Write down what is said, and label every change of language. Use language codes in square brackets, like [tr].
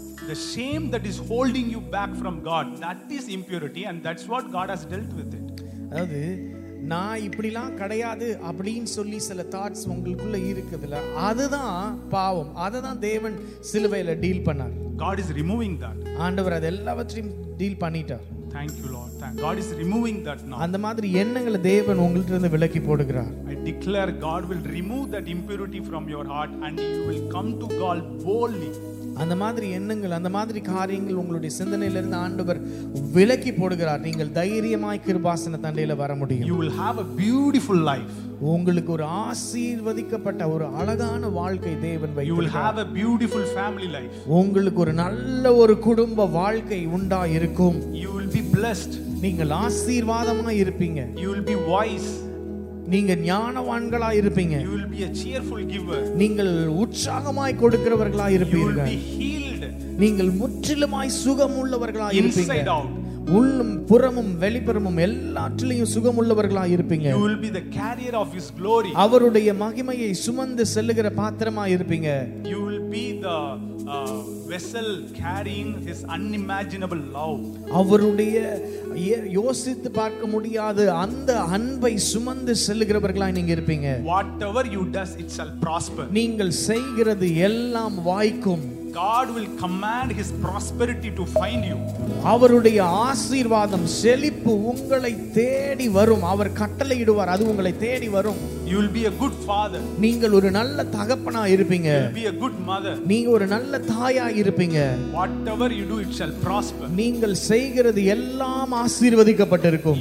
[en] The shame that is holding you back from God, that is impurity, and that's what God has dealt with it. [ta] Adhu நான் இப்படிலாம் கிடையாது அப்படின்னு சொல்லி சில thoughts உங்களுக்குள்ள இருக்குதுல அதுதான் பாவம். அதை தான் தேவன் சிலுவையில டீல் பண்ணார். [en] God is removing that. [ta] ஆண்டவர் அதெல்லாவற்றையும் டீல் பண்ணிட்டார். [en] Thank you Lord. God is removing that now. [ta] அந்த மாதிரி எண்ணங்களை தேவன் உங்கள்ட்ட இருந்து விலக்கி போடுகிறார். [en] I declare God will remove that impurity from your heart and you will come to God boldly. [ta] அந்த மாதிரி எண்ணங்கள் அந்த மாதிரி காரியங்கள் உங்களுடைய சிந்தனையிலிருந்து ஆண்டவர் விலக்கி போடுகிறார். நீங்கள் தைரியமாய் கிருபாசன தண்டையில வர முடியும். [en] You will have a beautiful life. [ta] உங்களுக்கு ஒரு ஆசீர்வதிக்கப்பட்ட ஒரு அழகான வாழ்க்கை தேவன் வைத்து [en] You will have a beautiful family life. [ta] உங்களுக்கு ஒரு நல்ல ஒரு குடும்ப வாழ்க்கை உண்டா இருக்கும். [en] You will be blessed. [ta] நீங்கள் ஆசீர்வாதமா இருப்பீங்க. [en] You will be wise. [ta] நீங்க ஞானவான்களா இருப்பீங்க. [en] You will be a cheerful giver. [ta] நீங்கள் உற்சாகமாய் கொடுக்கிறவர்களா இருப்பீங்க. [en] You will be healed. [ta] நீங்கள் முற்றிலுமாய் சுகமுள்ளவர்களா இருப்பீங்க. [en] Inside out. [ta] உள்ளும் புறமும் வெளிப்புறமும் எல்லாற்றிலையும் சுகமுள்ளவர்களா இருப்பீங்க. [en] You will be the carrier of his glory. [ta] அவருடைய மகிமையை சுமந்து செல்லுகிற பாத்திரமா இருப்பீங்க. [en] You will be the vessel carrying his unimaginable love. [ta] அவருடைய யோசித்து பார்க்க முடியாத அந்த அன்பை சுமந்து செல்லுகிறவர்களா நீங்க இருப்பீங்க. [en] Whatever you does it shall prosper. [ta] நீங்கள் செய்கிறது எல்லாம் வாய்க்கும். [en] God will command his prosperity to find you. [ta] அவருடைய ஆசீர்வாதம் செழிப்பு உங்களை தேடி வரும். அவர் கட்டளையிடுவார், அது உங்களை தேடி வரும். [en] You will be a good father. [ta] நீங்கள் ஒரு நல்ல தகப்பனா இருப்பீங்க. [en] You will be a good mother. [ta] நீங்க ஒரு நல்ல தாயா இருப்பீங்க. [en] Whatever you do it shall prosper. [ta] நீங்கள் செய்கிறது எல்லாம் ஆசீர்வதிக்கப்பட்டிருக்கும்.